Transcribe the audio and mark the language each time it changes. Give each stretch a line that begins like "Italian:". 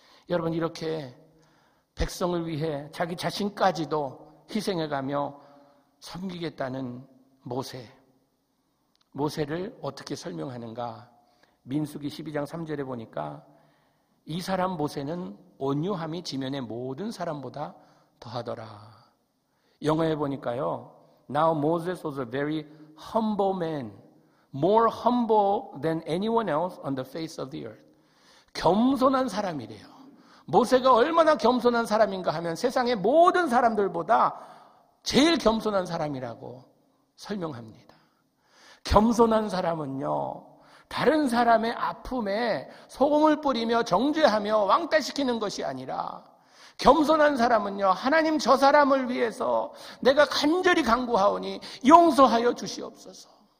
Korean: 여러분, 이렇게 백성을 위해 자기 자신까지도 희생해가며 섬기겠다는 모세를 어떻게 설명하는가? 민수기 12장 3절에 보니까 이 사람 모세는 온유함이 지면에 모든 사람보다 더하더라. 영어에 보니까요,
English: Now Moses was a very humble man, more humble than anyone else on the face of the earth.
Korean: 겸손한 사람이래요. 모세가 얼마나 겸손한 사람인가 하면 세상의 모든 사람들보다 제일 겸손한 사람이라고 설명합니다. 겸손한 사람은요, 다른 사람의 아픔에 소금을 뿌리며 정죄하며 왕따시키는 것이 아니라 겸손한 사람은요, 하나님 저 사람을 위해서 내가 간절히 간구하오니 용서하여 주시옵소서.